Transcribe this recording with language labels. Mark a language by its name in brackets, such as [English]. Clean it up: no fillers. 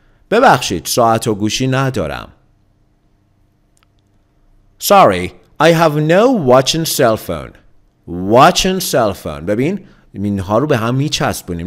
[Persian] ببخشید ساعت و گوشی ندارم. [English] Sorry, I have no watch and cell phone. Watch and cell phone. [Persian] ببین؟ اینها رو به هم میچسبونیم.